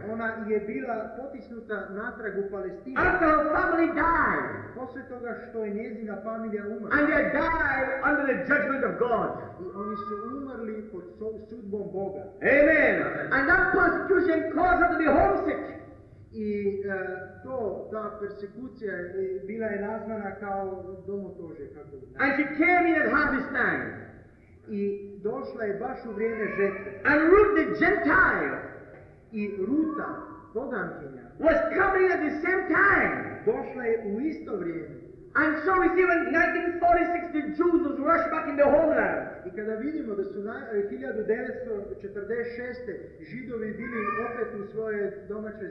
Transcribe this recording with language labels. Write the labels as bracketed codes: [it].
[hr] Ona je bila potisnuta natrag u Palestinu. [en] After her family died. [hr] Posle toga što je njezina familija umrla. [en] And they died under the judgment of God. [hr] I oni su umrli pod sudbom Boga. [en] Amen. And that persecution caused her to be homesick. [hr] I ta persekucija bila je nazvana kao domotože, kako bi. [en] And she came in at harvest time. [hr] I došla je baš u vrijeme žetve. [en] And Ruth the Gentile. [hr] I Ruta, pogankinja, [en] was coming at the same time. [hr] Došla je u isto vrijeme. [en] And so we see when 1946 the Jews was rushed back in the homeland. [hr] I kada vidimo da su 1946. Židovi bili opet u svoje domaće zemlje.